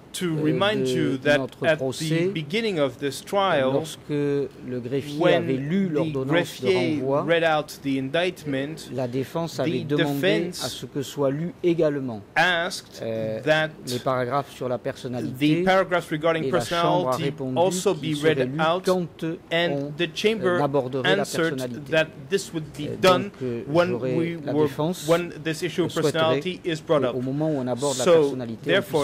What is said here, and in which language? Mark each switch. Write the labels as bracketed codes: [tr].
[en] to remind you that at the beginning of this trial, [fr] lorsque le greffier avait lu l'ordonnance de renvoi, [en] read out the indictment, [fr] la défense avait demandé à ce que soit lu également [en] asked that [fr] les paragraphes sur la personnalité, [en] the paragraphs regarding personality also be read out, and the chamber answered that this would be done when we were when this issue of personality is brought up. [fr] Au moment où on aborde [en] so [fr] la personnalité, [en] therefore